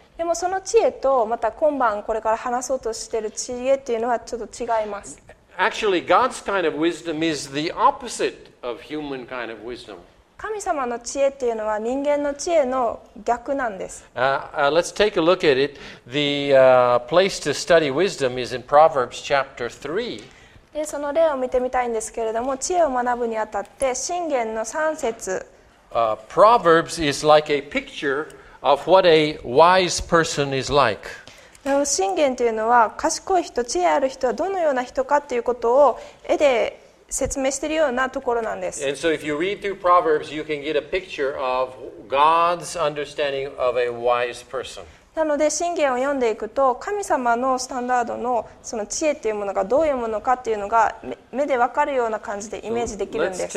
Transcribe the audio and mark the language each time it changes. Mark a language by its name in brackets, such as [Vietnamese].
[Japanese] でもその知恵とまた今晩これから話そうとしている知恵っていうのはちょっと違います。 [English] Actually, God's kind of wisdom is the opposite of human kind of wisdom. [Japanese] 神様の知恵っていうのは人間の知恵の逆なんです。 [English] Let's take a look at it. The place to study wisdom is in Proverbs chapter 3. [Japanese] で、その例を見てみたいんですけれども、知恵を学ぶにあたって、箴言の3節。 [English] Proverbs is like a picture of what a wise person is like. [Japanese] 箴言というのは、賢い人、知恵ある人はどのような人かということを絵で説明しているようなところなんです。 [English] And so if you read through Proverbs, you can get a picture of God's understanding of a wise person. [Japanese] なので、箴言を読んでいくと、神様のスタンダードのその知恵というものがどういうものかというのが目で分かるような感じでイメージできるんです。